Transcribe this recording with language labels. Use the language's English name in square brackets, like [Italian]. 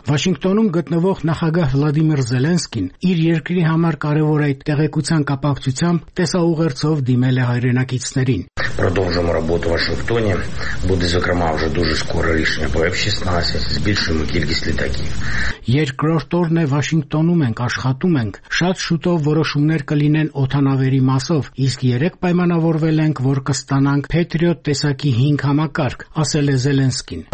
[Armenian] Վաշինգտոնում գտնվող նախագահ Վլադիմիր Զելենսկին իր երկրի համար կարևոր այդ տեղեկության կապակցությամբ տեսաուղերձով դիմել է հայրենակիցներին։ [Ukrainian] Продовжуємо роботу в Вашингтоні. Буде, зокрема, вже дуже скоро рішення по F-16, збільшуємо кількість літаків. [Armenian] Երկրորդ օրն է Վաշինգտոնում ենք, աշխատում ենք, շատ շուտով որոշումներ կլինեն օթանավերի մասով, իսկ երեք պայմանավորվել ենք, որ կստանանք Patriot տեսակի 5 համակարգ, ասել է Զելենսկին։